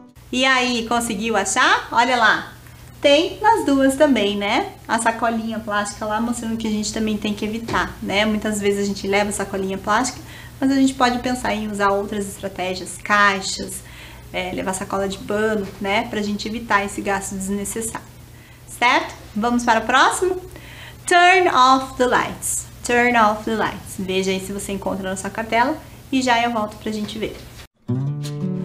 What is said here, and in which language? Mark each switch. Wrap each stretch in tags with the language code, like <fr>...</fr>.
<pt>E aí, conseguiu achar? Olha lá, tem nas duas também, né? A sacolinha plástica lá mostrando que a gente também tem que evitar, né? Muitas vezes a gente leva sacolinha plástica, mas a gente pode pensar em usar outras estratégias, caixas, levar sacola de pano, né? Pra gente evitar esse gasto desnecessário, certo? Vamos para o próximo?</pt> <en>Turn off the lights, turn off the lights.</en> <pt>Veja aí se você encontra na sua cartela e já eu volto pra gente ver.</pt> <en>Thank you.</en>